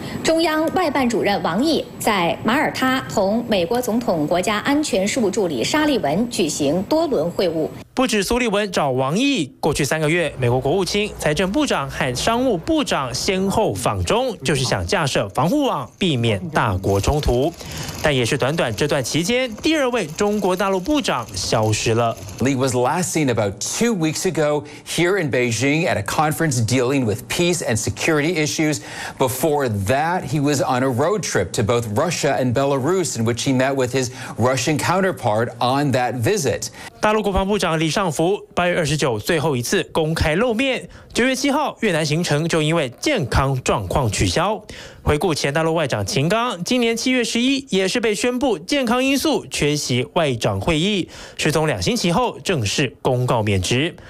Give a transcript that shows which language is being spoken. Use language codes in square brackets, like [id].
[zh] 中央外办主任王毅在马耳他同美国总统国家安全事务助理沙利文举行多轮会晤。不止苏利文找王毅，过去3个月，美国国务卿、财政部长和商务部长先后访中，就是想架设防护网，避免大国冲突。但也是短短这段期间，第二位中国大陆部长消失了。 [en] Li was last seen about 2 weeks ago here in Beijing at a conference dealing with peace and security issues. Before that, he was on a road trip to both Russia and Belarus, in which he met with his Russian counterpart on that visit. [zh] 大陆国防部长李尚福8月29日最后一次公开露面，9月7日越南行程就因为健康状况取消。回顾前大陆外长秦刚，今年7月11日也是被宣布健康因素缺席外长会议，失踪2星期后正式公告免职。